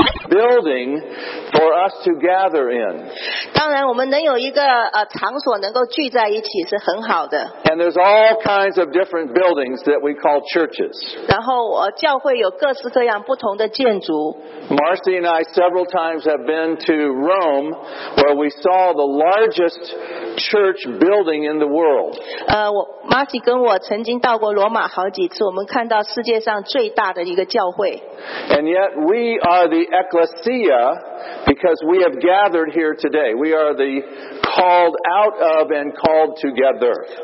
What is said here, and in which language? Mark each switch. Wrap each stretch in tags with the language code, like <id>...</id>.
<en>Building for us to gather in.</en> <zh>当然我们能有一个, 场所能够聚在一起是很好的。</zh> <en>And there's all kinds of different buildings that we call churches.</en> <zh>然后, 教会有各式各样不同的建筑。</zh> <en>Marcy and I several times have been to Rome where we saw the largest church building in the world.</en> <zh>Marcy跟我曾经到过罗马好几次，我们看到世界上最大的一个教会。</zh> <en>And yet we are the Ekklesia because we have gathered here today. We are the called out of and called together.</en>